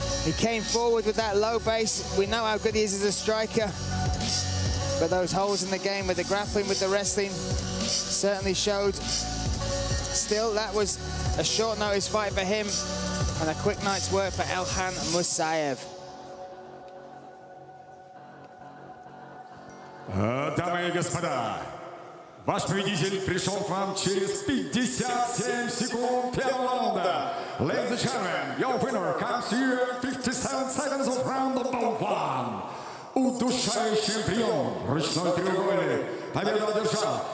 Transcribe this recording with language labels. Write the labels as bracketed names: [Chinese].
[English] He came forward with that low base. We know how good he is as a striker. But those holes in the game with the grappling, with the wrestling, certainly showed. Still, that was a short notice fight for him and a quick night's work for Ilhan Mosakiev. [Russian] Дамы и господа, ваш победитель пришел к вам через 57 секунд первого раунда. [English] Ladies and gentlemen, your winner comes to you 57 seconds of round number one. [Russian] Удушающим приемом ручной треугольник победу одержал.